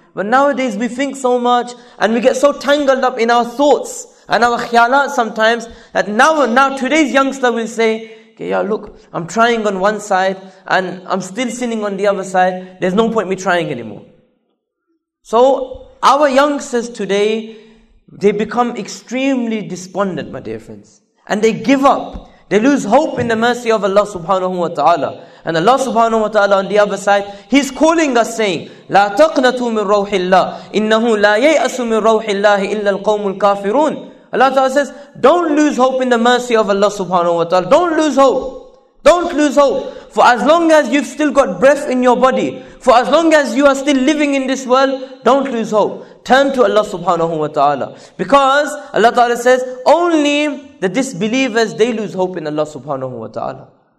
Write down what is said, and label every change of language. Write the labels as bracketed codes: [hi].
[en] But nowadays, we think so much, and we get so tangled up in our thoughts and our khyalat sometimes, that now today's youngster will say, okay, yeah, look, I'm trying on one side and I'm still sinning on the other side. There's no point me trying anymore. So our youngsters today, they become extremely despondent, my dear friends. And they give up. They lose hope in the mercy of Allah subhanahu wa ta'ala. And Allah subhanahu wa ta'ala on the other side, He's calling us saying, [ar] لَا تَقْنَتُوا مِنْ رَوْحِ اللَّهِ إِنَّهُ لَا يَيْأَسُ مِنْ رَوْحِ اللَّهِ إِلَّا الْقَوْمُ الْكَافِرُونَ. [en] Allah Ta'ala says, don't lose hope in the mercy of Allah subhanahu wa ta'ala. Don't lose hope. Don't lose hope. For as long as you've still got breath in your body, for as long as you are still living in this world, don't lose hope. Turn to Allah subhanahu wa ta'ala. Because Allah Ta'ala says, only the disbelievers, they lose hope in Allah subhanahu wa ta'ala.